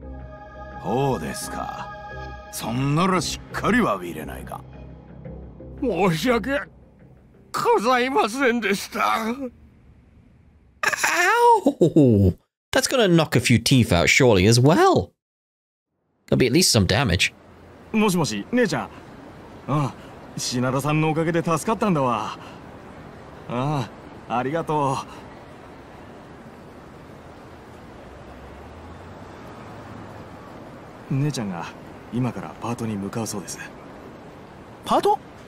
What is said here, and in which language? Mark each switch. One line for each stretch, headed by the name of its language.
Japanese: お宮が勝手に何やろうが構わんがな。俺の会社に泥塗ったらかんぞ。すみません。しかもよその方にまで迷惑かけてまって、もう一発あちらさんの分も刺したるわ。タイムタイム。鳥山さんの件が大事にならないなら俺はそれでいいんで。そうですか。そんならしっかりわびれないか。申し訳ございませんでした。
English: Ow! That's gonna knock a few teeth out surely as well. There'll be at least some damage.
Japanese: もしもし、姉ちゃん。ああ、シナダさんのおかげで助かったんだわ。ああ、ありがとう。姉ちゃんが… 今からパートに向かうそうです。パート?